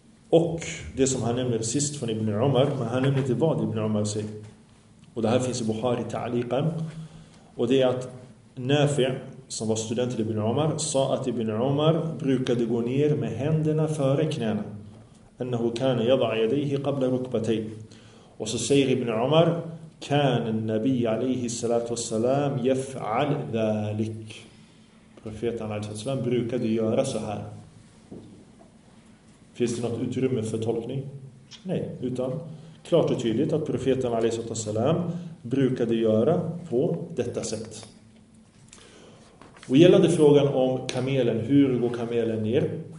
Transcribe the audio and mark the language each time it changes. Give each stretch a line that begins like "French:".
Swedish: Och det som han nämner sist från Ibn Umar, men han nämner inte vad Ibn Umar säger. Och det här finns i Bukhari ta'liqan. Och det är att Nafi' som var student till Ibn Umar sa att Ibn Umar brukade gå ner med händerna före knäna.
Arabic: أنه كان يضع يديه قبل ركبتين. وسير ابن عمر كان النبي عليه الصلاة والسلام يفعل ذلك.
Swedish: Profeten عليه الصلاة والسلام brukade göra så här. Finns det något utrymme för tolkning? Nej, utan klart och tydligt att profeten عليه الصلاة والسلام brukade göra på detta sätt. Och gällande frågan om kamelen, hur går kamelen ner?